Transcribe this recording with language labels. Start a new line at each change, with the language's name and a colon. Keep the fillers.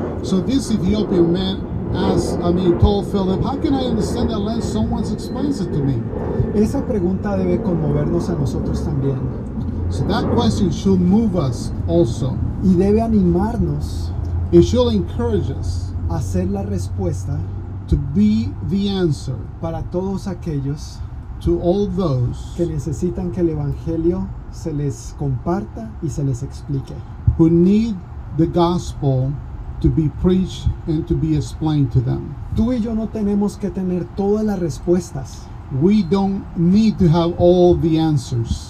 English: So this Ethiopian man, As, I mean, told Philip, how can I understand that unless someone explains it to me?
Spanish: Esa pregunta debe conmovernos a nosotros también.
English: So that question should move us also.
Spanish: Y debe animarnos.
English: It should encourage us.
Spanish: A Hacer la respuesta.
English: To be the answer.
Spanish: Para todos aquellos.
English: To all those.
Spanish: Que necesitan que el evangelio se les comparta y se les explique.
English: Who need the gospel. to be preached and to be explained to them.
Spanish: Tú y yo no tenemos que tener todas las respuestas.
English: We don't need to have all the answers.